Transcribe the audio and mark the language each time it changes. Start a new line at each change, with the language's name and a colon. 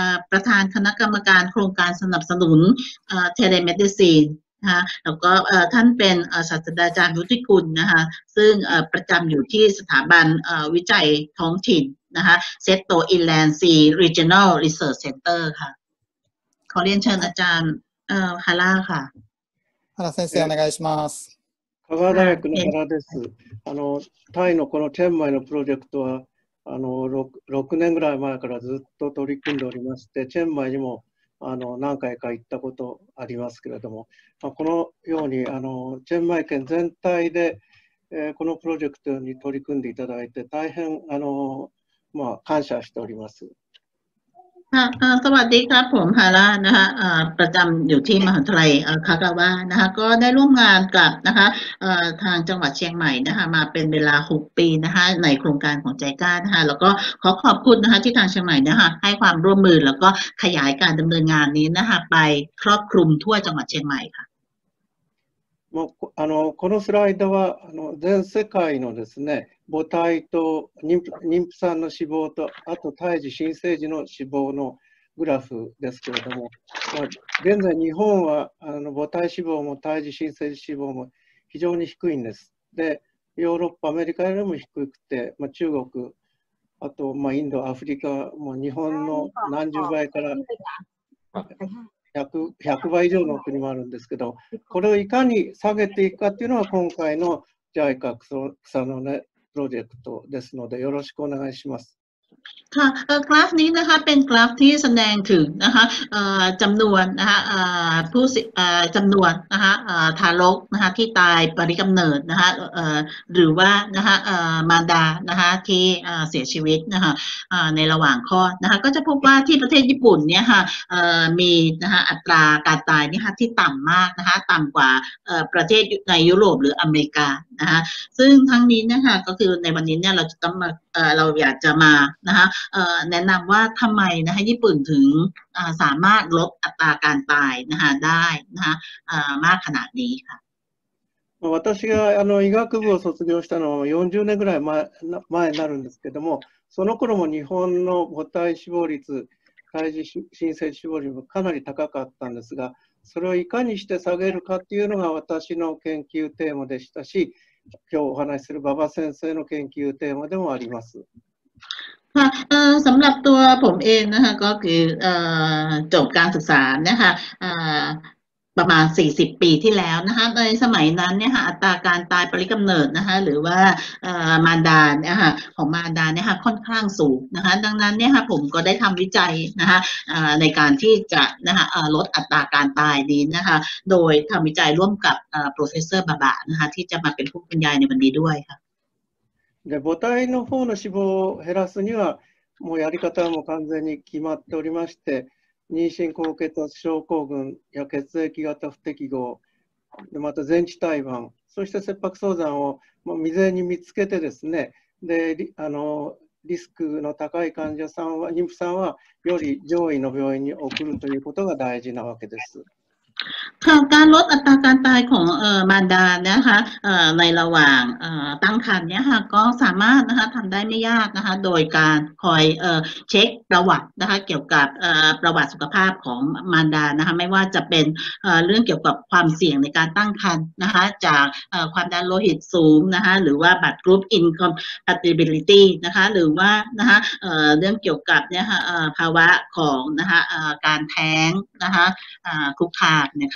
Thai: ประธานคณะกรรมการโครงการสนับสนุนเทเลเมดิซีนนะคะแล้วก็ท่านเป็นศาสตราจารย์ยุติกุลนะคะซึ่งประจำอยู่ที่สถาบันวิจัยท้องถิ่นนะคะเซตโตอินแลนด์ซีรีเจียนอลรีเสิร์ชเซ็นเตอร์ค่ะขอเรียนเชิญอาจารย์ฮาร่าค่ะ
Japanese: ฮาร่า先生お願いします香川大学のハラですタイのこのチェンマイのプロジェクトは6年ぐらい前からずっと取り組んでおりましてチェンマイにも何回か行ったことありますけれども、まあ、このようにチェンマイ県全体で、このプロジェクトに取り組んでいただいて大変まあ、感謝しております。
Thai: สวัสดีครับผมฮาร่านะคะประจำอยู่ที่มหาวิทยาลัยคากาวะนะคะก็ได้ร่วมงานกับนะคะทางจังหวัดเชียงใหม่นะคะมาเป็นเวลา6ปีนะคะในโครงการของใจกล้านะคะแล้วก็ขอขอบคุณนะคะที่ทางเชียงใหม่นะคะให้ความร่วมมือแล้วก็ขยายการดำเนินงานนี้นะคะไปครอบคลุมทั่วจังหวัดเชียงใหม่ค่ะ
Japanese: もうこのスライドは全世界のですね母体と妊婦さんの死亡とあと胎児新生児の死亡のグラフですけれども、まあ、現在日本は母体死亡も胎児新生児死亡も非常に低いんです。でヨーロッパアメリカよりも低くて、まあ、中国あと、まあ、インドアフリカも日本の何十倍から100倍以上の国もあるんですけど、これをいかに下げていくかというのは今回の JICA 草の根プロジェクトですので、よろしくお願いします。
Thai: ค่ะกราฟนี้นะคะเป็นกราฟที่แสดงถึงนะคะจำนวนนะคะผู้จำนวนนะคะทารกนะคะที่ตายปริกำเนิดนะคะหรือว่านะคะมารดานะคะที่เสียชีวิตนะคะในระหว่างคลอดนะคะก็จะพบว่าที่ประเทศญี่ปุ่นเนี่ยค่ะ มีนะคะอัตราการตายนี่ค่ะที่ต่ำมากนะคะต่ำกว่าประเทศในยุโรปหรืออเมริกานะคะซึ่งทั้งนี้นะคะก็คือในวันนี้เนี่ยเราจะต้องมาเราอยากจะมานะคะแนะนำว่าทำไมนะคะญี่ปุ่นถึงสามารถลดอัตราการตายนะคะได้นะคะมากขนาดนี้ค
Japanese: 私が医学部を卒業したのは40年ぐらい前になるんですけども、その頃も日本の母体死亡率胎児新生児死亡率もかなり高かったんですが、それをいかにして下げるかっていうのが私の研究テーマでしたし、今日お話しする馬場先生の研究テーマでもあります。
Thai: สำหรับตัวผมเองนะคะก็คือจบการศึกษานะคะประมาณ40ปีที่แล้วนะคะในสมัยนั้นเนี่ยค่ะอัตราการตายปริกำเนิดนะคะหรือว่ามารดาเนี่ยค่ะของมารดาเนี่ยค่ะค่อนข้างสูงนะคะดังนั้นเนี่ยค่ะผมก็ได้ทำวิจัยนะคะในการที่จะนะคะลดอัตราการตายดีนะคะโดยทำวิจัยร่วมกับโปรเฟสเซอร์บาบะนะคะที่จะมาเป็นผู้บรรยายในวันนี้ด้วยค่ะ
Japanese: で母体の方の死亡を減らすにはもうやり方はもう完全に決まっておりまして、妊娠高血圧症候群や血液型不適合で、また全治胎盤、そして切迫早産をもう未然に見つけてですね、でリスクの高い患者さんは妊婦さんはより上位の病院に送るということが大事なわけです。
Thai: ค่ะการลดอัตราการตายของมารดานะคะในระหว่างตั้งครรภ์เนี่ยค่ะก็สามารถนะคะทำได้ไม่ยากนะคะโดยการคอย เช็คประวัตินะคะเกี่ยวกับประวัติสุขภาพของมารดานะคะไม่ว่าจะเป็นเรื่องเกี่ยวกับความเสี่ยงในการตั้งครรภ์นะคะจากความดันโลหิตสูงนะคะหรือว่าบัตรกรุ๊ปอินคอมแพติบิลิตี้นะคะหรือว่านะคะเรื่องเกี่ยวกับเนี่ยค่ะภาวะของนะคะการแท้งนะคะคุกคาม